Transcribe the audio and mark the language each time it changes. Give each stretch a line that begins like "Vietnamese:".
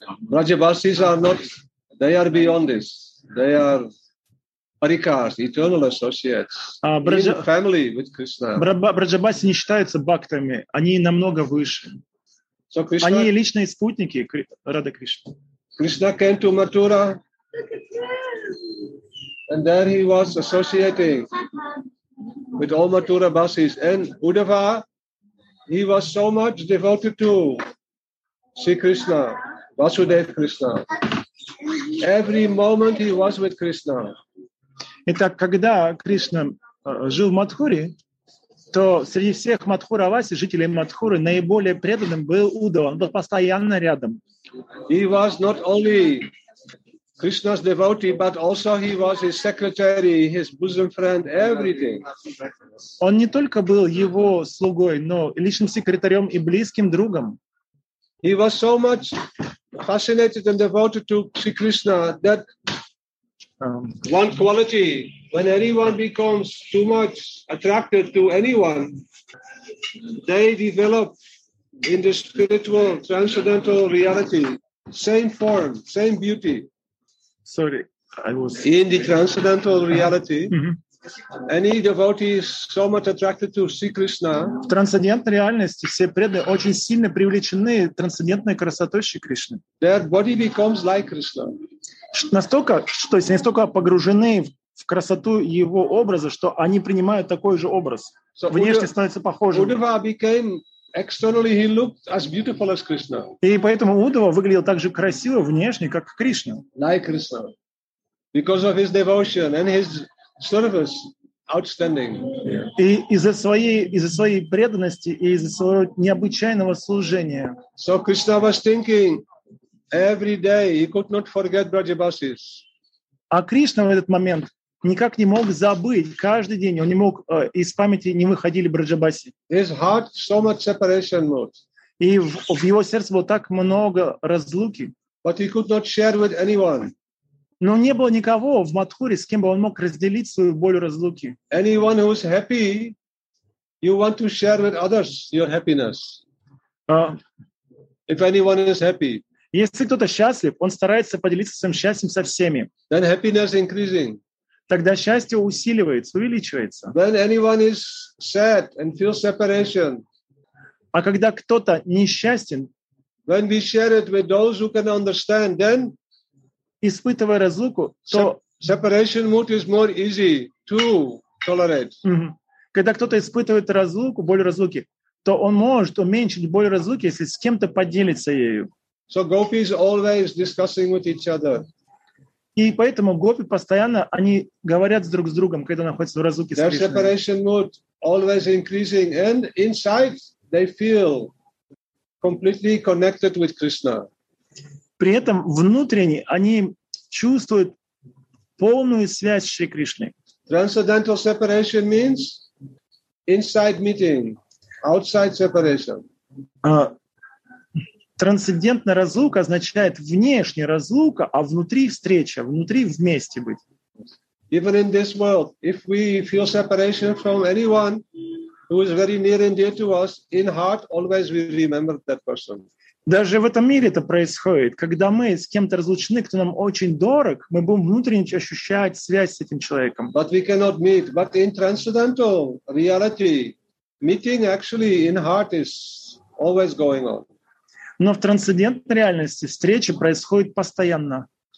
English: Раджабасис are not, they are beyond this. They are Parikas, eternal associates. Braja, in family with Krishna.
Russian: Браджабаси не считаются бхактами. Они намного выше.
English: So Krishna,
Russian: они личные спутники Рады Кришны.
English: Krishna came to Mathura. And there he was associating with all Mathura Basis. And Uddhava, he was so much devoted to Sri Krishna, Vasudev Krishna. Every moment he was with Krishna.
Russian: Итак, когда Кришна жил в Матхуре, то среди всех Матхураваси, жителей Матхуры, наиболее преданным был Удава. Он был постоянно рядом.
English: He was not only Krishna's devotee, but also he was his secretary, his bosom friend, everything.
Russian: Он не только был его слугой, но и личным секретарем и близким другом.
English: He was so much fascinated and devoted to Sri Krishna that one quality, when anyone becomes too much attracted to anyone, they develop in the spiritual, transcendental reality, same form, same beauty. Sorry, I was... In the transcendental reality, any devotee is so much attracted to Sri Krishna.
Russian: В трансцендентной реальности все преданные очень сильно привлечены трансцендентной красотой Шри Кришны.
English: Their body becomes like Krishna.
Russian: Настолько, то есть они настолько погружены в красоту его образа, что они принимают такой же образ.
English: So
Russian: внешне становится похожим.
English: Uddhava became externally, he looked as beautiful as Krishna.
Russian: И поэтому Удава выглядел так же красиво внешне, как Кришна.
English: Like Krishna. Because of his devotion and his service, outstanding. Yeah.
Russian: И из-за своей преданности и из-за своего необычайного служения.
English: So Krishna was thinking, every day he could not forget Brajabasis.
Russian: А Кришна в этот момент никак не мог забыть. Каждый день он не мог, из памяти не выходили Браджабаси.
English: His heart so much separation mode.
Russian: И в его сердце было так много разлуки.
English: But he could not share with anyone.
Russian: Но не было никого в Матхуре, с кем бы он мог разделить свою боль разлуки.
English: Anyone who is happy, you want to share with others your happiness. If anyone is happy.
Russian: Если кто-то счастлив, он старается поделиться своим счастьем со всеми.
English: Then happiness increasing.
Russian: Тогда счастье усиливается, увеличивается.
English: When anyone is sad and feels separation.
Russian: А когда кто-то несчастен,
English: when we share it with those who can understand, then
Russian: испытывая разлуку, то
English: separation mood is more easy to tolerate.
Russian: Когда кто-то испытывает разлуку, боль разлуки, то он может уменьшить боль разлуки, если с кем-то поделится ею.
English: So gopis always discussing with each other.
Russian: И поэтому гопи постоянно они говорят друг с другом, когда находятся в разлуке с Кришной.
English: Their separation mood always increasing, and inside they feel completely connected with Krishna.
Russian: При этом внутренне они чувствуют полную связь с Шри Кришной.
English: Transcendental separation means inside meeting, outside separation.
Russian: Трансцендентная разлука означает внешняя разлука, а внутри встреча, внутри вместе быть.
English: Even in this world, if we feel separation from anyone who is very near and dear to us, in heart always we remember that person.
Russian: Даже в этом мире это происходит. Когда мы с кем-то разлучены, кто нам очень дорог, мы будем внутренне ощущать связь с этим человеком.
English: But we cannot meet. But in transcendental reality, meeting actually in heart is always going on.
Russian: Но в трансцендентной реальности встреча происходит постоянно.